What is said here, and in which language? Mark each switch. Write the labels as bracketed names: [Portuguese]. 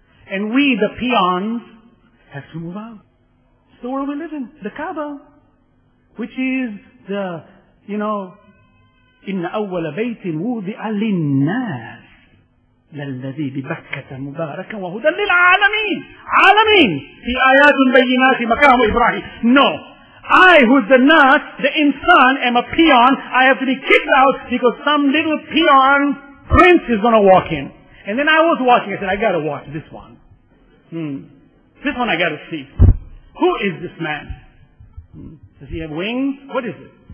[English] And we, the peons, have to move out. It's the world we live in, the Kaaba, which is the, you know, [Arabic] إِنَّ أَوَّلَ بَيْتٍ وُضِعَ لِلنَّاسِ لَلَّذِي بِبَكَّةَ مُبَارَكًا وَهُدًى لِلْعَالَمِينَ. عالمين في آيات بينات مكان إبراهيم. [English] No. I, who's the nurse, the insan, am a peon, I have to be kicked out because some little peon prince is going to walk in. And then I was watching, I said, I got to watch this one. This one I gotta see. Who is this man? Does he have wings? What is it?